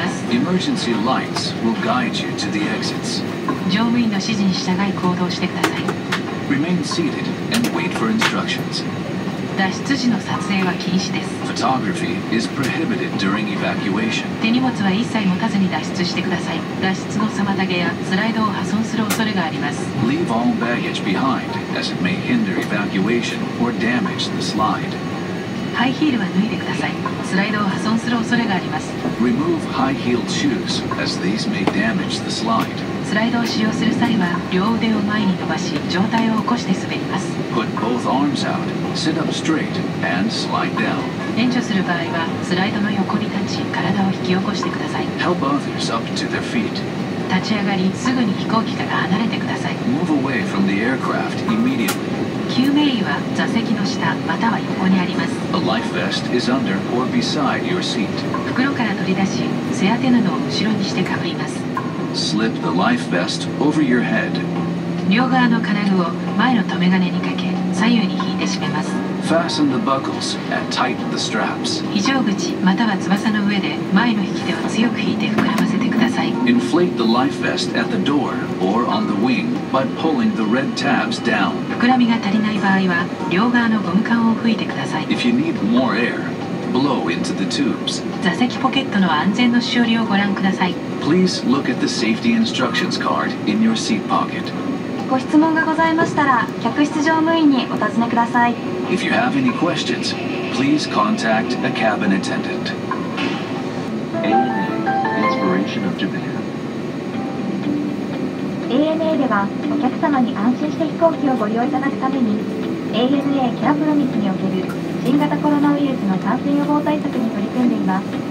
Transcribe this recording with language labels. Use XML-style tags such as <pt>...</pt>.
<en>Emergency lights will guide you to the exits.</en> <ja>乗務員の指示に従い行動してください。</ja> <en>Remain seated and wait for instructions.</en> <ja>脱出時の撮影は禁止です。</ja> <en>Photography is prohibited during evacuation.</en> <ja>手荷物は一切持たずに脱出してください。脱出の妨げやスライドを破損する恐れがあります。</ja> <en>Leave all baggage behind, as it may hinder evacuation or damage the slide.</en> <ja>ハイヒールは脱いでください。スライドを破損する恐れがあります。</ja> <en>Remove high-heeled shoes, as these may damage the slide.</en> <ja>スライドを使用する際は、両腕を前に伸ばし、上体を起こして滑ります。</ja> <en>Put both arms out, sit up straight, and slide down.</en> <ja>援助する場合は、スライドの横に立ち、体を引き起こしてください。</ja> <en>Help others up to their feet.</en> <ja>立ち上がり、すぐに飛行機から離れてください。</ja> <en>Move away from the aircraft immediately.</en> <ja>救命衣は座席の下または横にあります。</ja> <en>A life vest is under or beside your seat.</en> <ja>袋から取り出し背当て布を後ろにしてかぶります。</ja> <en>Slip the life vest over your head.</en> <ja>両側の金具を前の留め金にかけ左右に引いて締めます。</ja> <en>Fasten the buckles and tighten the straps.</en> <ja>非常口または翼の上で前の引き手を強く引いて膨らませてください。</ja> <en>Inflate the life vest at the door or on the wing by pulling the red tabs down.</en> <ja>膨らみが足りない場合は、両側のゴム管を吹いてください。</ja> <en>If you need more air, blow into the tubes.</en> <ja>座席ポケットの安全のしおりをご覧ください。</ja> <en>Please look at the safety instructions card in your seat pocket.</en> <ja>ご質問がございましたら、客室乗務員にお尋ねください。</ja> <en>If you have any questions, please contact a cabin attendant. ANA, Inspiration of Japan.</en> <ja>ANA ではお客様に安心して飛行機をご利用いただくために ANA キャプロミスにおける新型コロナウイルスの感染予防対策に取り組んでいます。</ja>